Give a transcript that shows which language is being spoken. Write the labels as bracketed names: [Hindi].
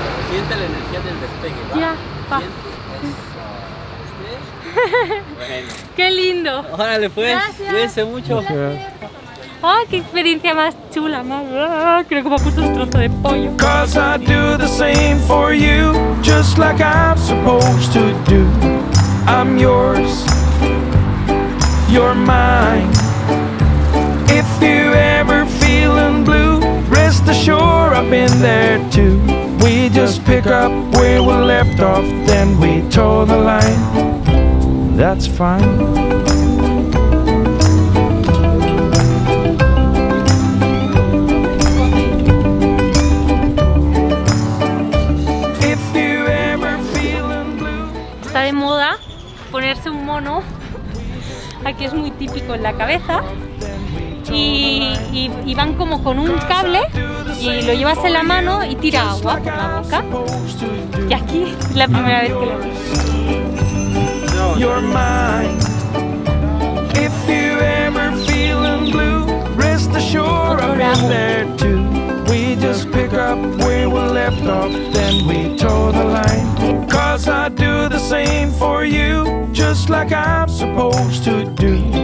[Spanish] Siente la energía del despegue, ¿va? Ya, pa. Bueno. ¡Qué lindo! ¡Órale, pues! ¡Cuídense mucho! ¡Ay, qué experiencia más chula! Más. Creo que me ha puesto un trozo de pollo. [English] Cause I do the same for you, just like I'm supposed to do. I'm yours, you're mine. If you ever feeling blue, rest assured I've been there too. We just pick up where we left off, then we toe the line. That's fine. If you ever feeling blue. [Spanish] Está de moda ponerse un mono. Aquí es muy típico en la cabeza. Y van como con un cable y lo llevas en la mano y tira agua por la boca. Y aquí es la primera vez que lo veo. [English] You're mine. If you ever feeling blue, rest assured I'm in there too. We just pick up where we left off, then we toe the line. Cause I do the same for you, just like I'm supposed to do.